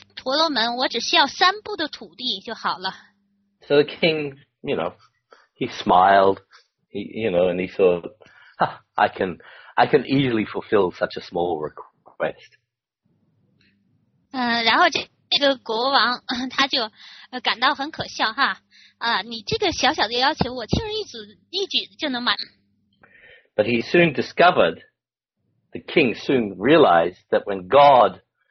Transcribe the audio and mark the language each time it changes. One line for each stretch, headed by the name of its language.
Chinese: 婆罗门，我只需要三步的土地就好了。
English: So the king, he smiled, and he thought, I can easily fulfill such a small request.
Chinese: 然后这个国王他就感到很可笑哈，你这个小小的要求，我轻而易举就能满。
English: But he soon discovered, the king soon realized that when God.